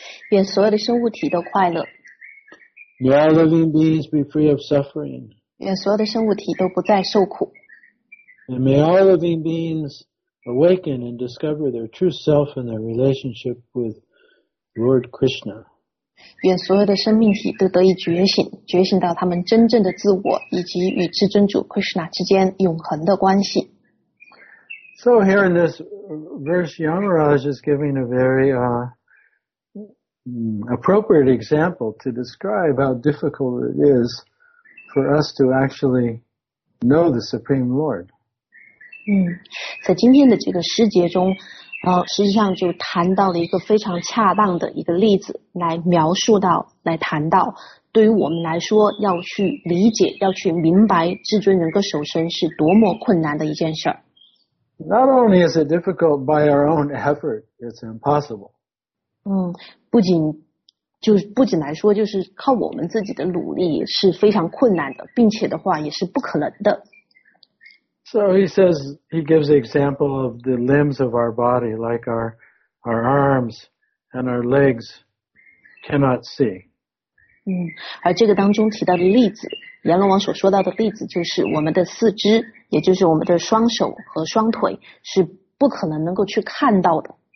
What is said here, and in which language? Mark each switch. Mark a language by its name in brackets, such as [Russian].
[Chinese] 愿所有的生物体都快乐。 [English] May all living beings be free of suffering. [Chinese] 愿所有的生物体都不再受苦。 [English] And may all living beings awaken and discover their true self and their relationship with Lord Krishna. [Chinese] 愿所有的生命体都得以觉醒，觉醒到他们真正的自我以及与至尊主 Krishna 之间永恒的关系。 [English] So here in this verse, Yamaraj is giving a very appropriate example to describe how difficult it is for us to actually know the Supreme Lord. [Chinese] 在今天的这个诗节中，实际上就谈到了一个非常恰当的一个例子，来描述到，来谈到，对于我们来说，要去理解，要去明白至尊人格守身是多么困难的一件事儿。 [English] Not only is it difficult by our own effort, it's impossible. [Chinese] 不仅来说，就是靠我们自己的努力是非常困难的，并且的话也是不可能的。 [English] So he says, he gives the example of the limbs of our body, like our arms and our legs cannot see. [Chinese] 而这个当中提到的例子，阎罗王所说到的例子就是我们的四肢，也就是我们的双手和双腿是不可能能够去看到的。